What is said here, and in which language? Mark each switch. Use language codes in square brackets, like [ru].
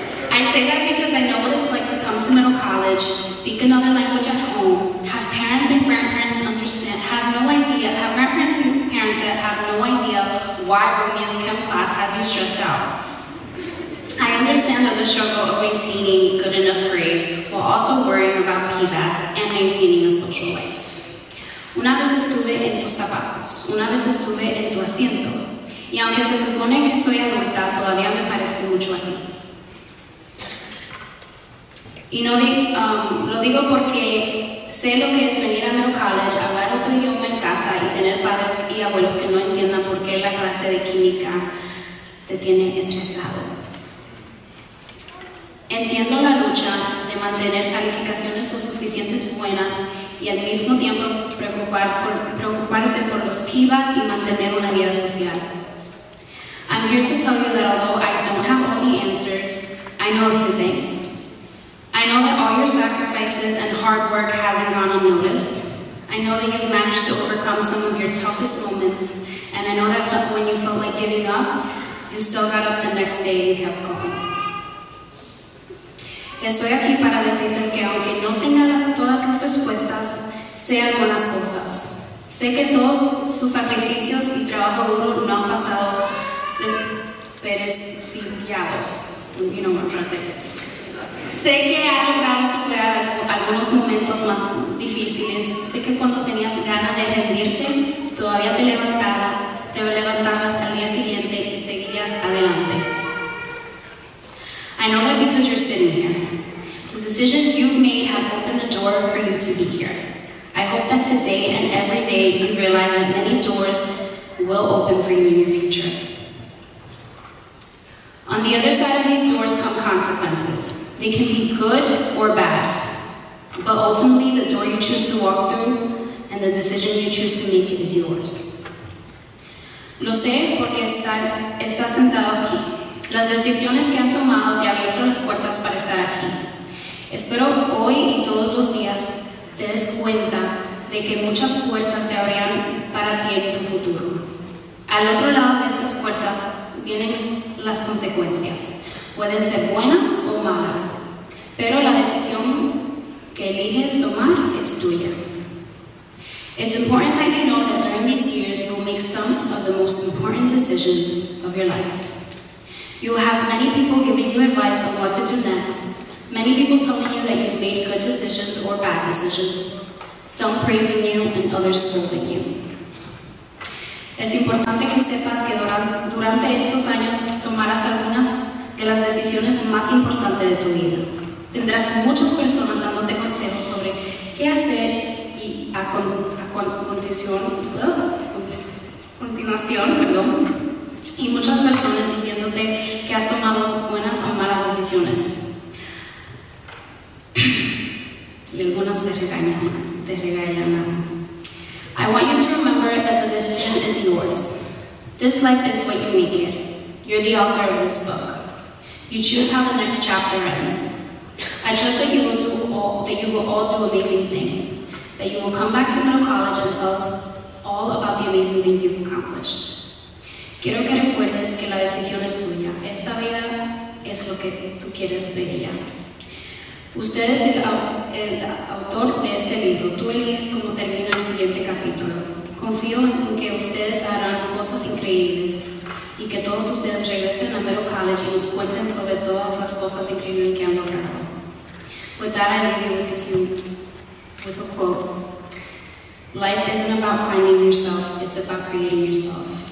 [en] I say that because I know what it's like to come to middle college, speak another language at home, have parents and grandparents understand, have no idea, have grandparents and parents that have no idea why Romeo's chem class has you stressed out. I understand that the struggle of maintaining good enough grades while also worrying about PBATs and maintaining a social life. [es] Una vez estuve en tus zapatos, una vez estuve en tu asiento, y aunque se supone que soy adulta, todavía me parezco mucho a ti. Y no lo digo porque sé lo que es venir a middle college, hablar otro idioma en casa y tener padres y abuelos que no entiendan por qué la clase de química te tiene estresado. Entiendo la lucha de mantener calificaciones lo suficientes buenas y al mismo tiempo preocuparse por los pibas y mantener una vida social. [en] I'm here to tell you that although I don't have all the answers, I know a few things. I know that all your sacrifices and hard work hasn't gone unnoticed. I know that you've managed to overcome some of your toughest moments, and I know that when you felt like giving up, you still got up the next day and kept going. [es] Estoy aquí para decirles que aunque no tenga todas las respuestas, sé algunas cosas. Sé que todos sus sacrificios y trabajo duro no han pasado desperdiciados. [en] You know what I'm trying to say. [es] Sé que ha logrado superar algunos momentos más difíciles. Sé que cuando tenías ganas de rendirte, todavía te levantabas al día siguiente y seguías adelante. [en] I know that because you're sitting here. The decisions you've made have opened the door for you to be here. I hope that today and every day you realize that many doors will open for you in your future. On the other side of these doors come consequences. They can be good or bad, but ultimately the door you choose to walk through and the decision you choose to make is yours. [es] Lo sé porque estás sentado aquí. Las decisiones que han tomado te han abierto las puertas para estar aquí. Espero hoy y todos los días te des cuenta de que muchas puertas se abrirán para ti en tu futuro. Al otro lado de estas puertas vienen las consecuencias. Pueden ser buenas o malas, pero la decisión que eliges tomar es tuya. [en] It's important that you know that during these years you will make some of the most important decisions of your life. You will have many people giving you advice on what to do next, many people telling you that you've made good decisions or bad decisions, some praising you and others scolding you. [es] Es importante que sepas que durante estos años tomarás algunas de las decisiones más importantes de tu vida. Tendrás muchas personas dándote consejos sobre qué hacer y a continuación, y muchas personas diciéndote que has tomado buenas o malas decisiones. Y algunas te regañan. [en] I want you to remember that the decision is yours. This life is what you make it. You're the author of this book. You choose how the next chapter ends. I trust that you will all do amazing things, that you will come back to middle college and tell us all about the amazing things you've accomplished. [es] Quiero que recuerdes que la decisión es tuya. Esta vida es lo que tú quieres de ella. Usted es el autor de este libro. Tú eliges cómo termina el siguiente capítulo. Confío en que ustedes harán cosas increíbles y que todos ustedes regresen a Middle College y nos cuenten sobre todas las cosas increíbles que han logrado. [en] With that, I leave you with a quote. Life isn't about finding yourself, it's about creating yourself.